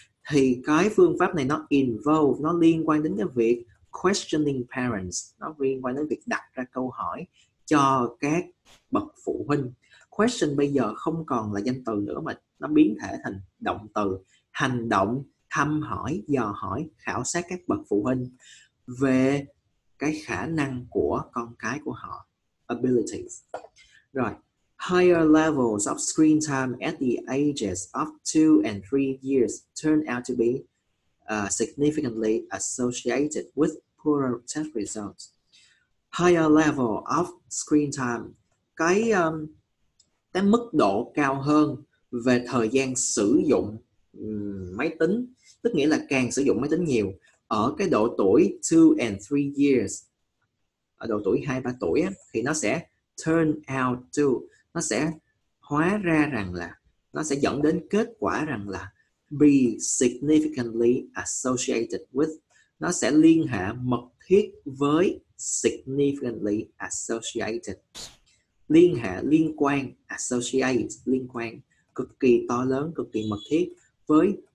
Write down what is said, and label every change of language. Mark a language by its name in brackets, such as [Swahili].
[Vietnamese] Thì cái phương pháp này nó involve, nó liên quan đến cái việc [English] questioning parents, [Vietnamese] nó liên quan đến việc đặt ra câu hỏi cho các bậc phụ huynh. Question bây giờ không còn là danh từ nữa, mà nó biến thể thành động từ, hành động thăm hỏi, dò hỏi, khảo sát các bậc phụ huynh về cái khả năng của con cái của họ, abilities. Rồi, [English] higher levels of screen time at the ages of 2 and 3 years turn out to be significantly associated with poorer test results. Higher level of screen time, [Vietnamese] cái mức độ cao hơn về thời gian sử dụng máy tính, tức nghĩa là càng sử dụng máy tính nhiều ở cái độ tuổi [English] 2 and 3 years, [Vietnamese] ở độ tuổi 2-3 tuổi á, thì nó sẽ [English] turn out to, [Vietnamese] nó sẽ hóa ra rằng là, nó sẽ dẫn đến kết quả rằng là [English] be significantly associated with, [Vietnamese] nó sẽ liên hệ mật thiết với significantly associated, liên hệ, liên quan, associate, liên quan cực kỳ to lớn, cực kỳ mật thiết với